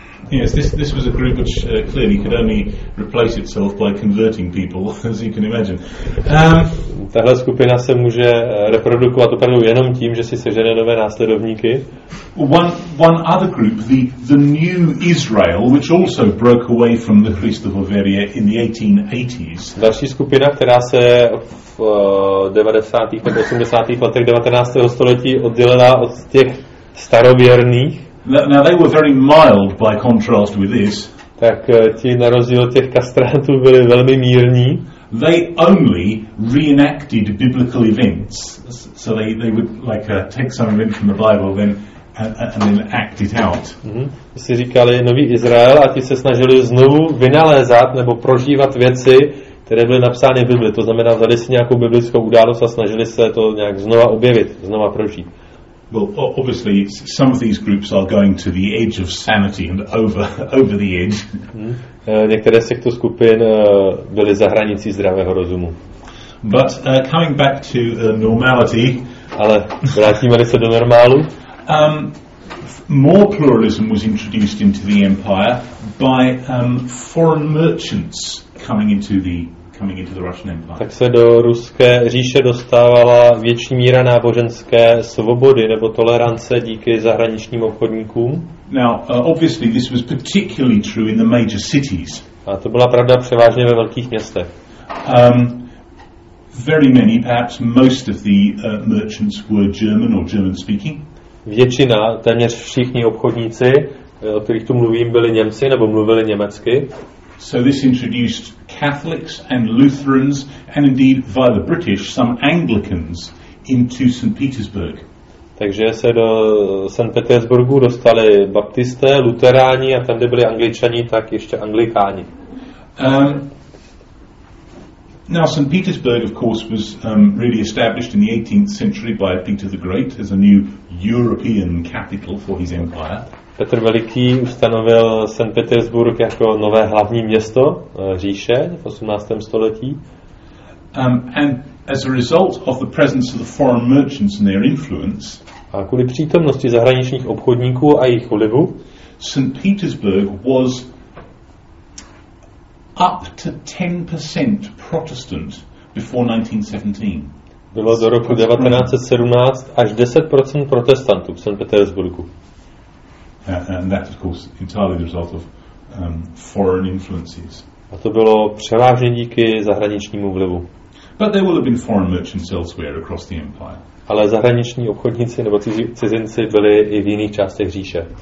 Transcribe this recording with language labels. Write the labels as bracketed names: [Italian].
[English] Yes, this was a group which clearly could only replace itself by converting people, as you can imagine. [Czech] Tahle skupina se může reprodukovat opravdu jenom tím, že si sežene nové následovníky. [English] One other group, the New Israel, which also broke away from the Christ of Bavaria in the 1880s. [Czech] Další skupina, která se v 90. nebo 80. letech 19. století oddělila od těch starověrných. [English] Now they were very mild by contrast with this. [Czech] Tak ti na rozdíl od těch kastrátů byli velmi mírní. [English] They only reenacted biblical events. So they would like take some event from the Bible then and then act it out. Mm-hmm. [Czech] Si říkali Nový Izrael a ti se snažili znovu vynalézat nebo prožívat věci, které byly napsány v Bibli. To znamená, vzali si nějakou biblickou událost a snažili se to nějak znova objevit, znova prožít. [English] Well, obviously, some of these groups are going to the edge of sanity and over the edge. [Czech] Některé z těchto skupin byly za hranicí zdravého rozumu. [English] But coming back to normality. [Czech] Ale vrátíme-li se do normálu. [English] More pluralism was introduced into the empire by foreign merchants coming into the Russian Empire. [Czech] Tak se do ruské říše dostávala větší míra náboženské svobody nebo tolerance díky zahraničním obchodníkům. [English] Now, obviously this was particularly true in the major cities. [Czech] A to byla pravda převážně ve velkých městech. [English] Very many, perhaps most of the merchants were German or German speaking. [Czech] Většina, téměř všichni obchodníci, o kterých tu mluvím, byli Němci nebo mluvili německy. [English] So this introduced Catholics and Lutherans and indeed via the British some Anglicans into St. Petersburg. [Czech] Takže se do St. Petersburgu dostali baptisté, luteráni a tam, kde byli Angličani, tak ještě Anglikáni. [English] Now St. Petersburg of course was really established in the 18th century by Peter the Great as a new European capital for his empire. [Czech] Petr Veliký ustanovil St. Petersburg jako nové hlavní město říše v 18. století. [English] And as a result of the presence of the foreign merchants and their influence, [Czech] a kvůli přítomnosti zahraničních obchodníků a jejich vlivu, [English] St. Petersburg was up to 10% Protestant before 1917. [Czech] Bylo do roku 1917 až 10% protestantů v St. Petersburgu. [English] And that, of course, entirely the result of foreign influences. [Czech] A to bylo převážně díky zahraničnímu vlivu. [English] But there will have been foreign merchants elsewhere across the empire. [Czech] Ale zahraniční obchodníci nebo cizinci byli i v jiných částech říše.